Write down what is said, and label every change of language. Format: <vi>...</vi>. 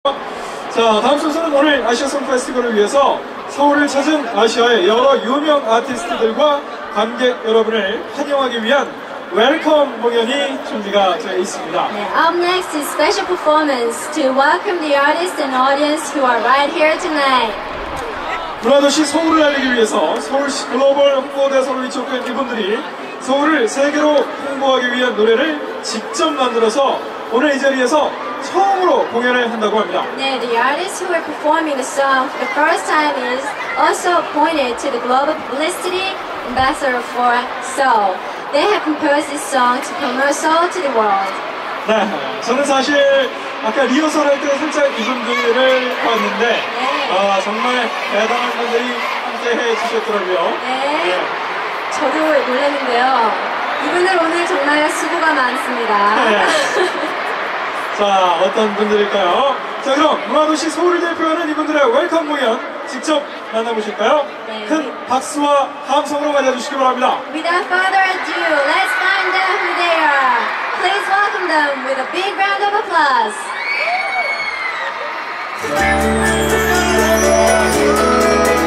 <ko>자, 다음 순서는 오늘 아시아송 페스티벌을 위해서 서울을 찾은 아시아의 여러 유명 아티스트들과 관객 여러분을 환영하기 위한 웰컴 공연이 준비가 되어 있습니다.</ko> <en>네, up next is special performance to welcome the artists and audience who are right here tonight.</en> <ko>문화도시 서울을 알리기 위해서 서울시 글로벌 홍보대사로 위촉된 이분들이 서울을 세계로 홍보하기 위한 노래를 직접 만들어서 오늘 이 자리에서 처음으로 공연을 한다고 합니다.</ko> <en>네, the artists who are performing the song for the first time is also appointed to the Global Publicity Ambassador for Seoul. They have composed this song to promote Seoul to the world.</en> <ko>네, 저는 사실 아까 리허설할 때 살짝 이분들을 봤는데 네. 정말 대단한 분들이 함께해 주셨더라고요. 네. 네. 저도 놀랐는데요. 이분들 오늘 정말 수고가 많습니다. 네. 자, 어떤 분들일까요? 자, 그럼 문화도시 서울을 대표하는 이분들의 웰컴 공연 직접 만나보실까요? 네. 큰 박수와 함성으로 맞아주시기 바랍니다.</ko> <en>Without further ado, let's find out who they are. Please welcome them with a big round of applause.</en>